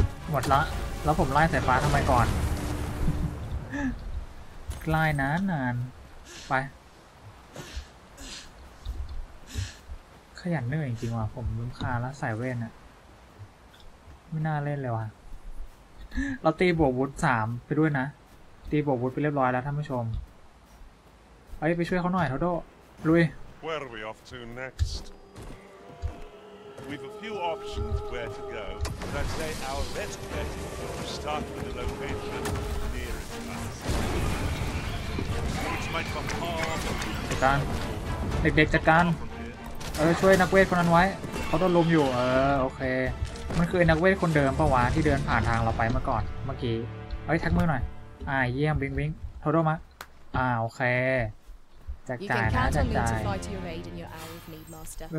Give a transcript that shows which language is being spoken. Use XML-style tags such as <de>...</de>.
<th>หมดละแล้วผมไล่สายฟ้าทำไมก่อนไล่นานนานไปขยันเนื่อยจริงว่ะผมลืมคาแล้วสายเวทอะไม่น่าเล่นเลยว่ะเราตีบวกวุฒิ3ไปด้วยนะตีบวกวุฒิไปเรียบร้อยแล้วท่านผู้ชมเอ้ยไปช่วยเขาหน่อยเถอะโดลุย</th> <en>Where are we off to next? We've a few options where to go. But I'd say our best bet is to start with the location nearest us. Which might come hard.</en> <th>จัดการเด็กๆจัดการเออช่วยนักเวทคนนั้นไว้เขาโดนลุมอยู่เออโอเคมันคือนักเวทคนเดิมปะวะที่เดินผ่านทางเราไปเมื่อก่อนเมื่อกี้เอ้ยทักมือหน่อยอ่าเยี่ยมวิ้งวิ้งเถอะโดมะอ่าโอเค</th> <en>You can count on me to fight your aid in your hour of need, Master.</en>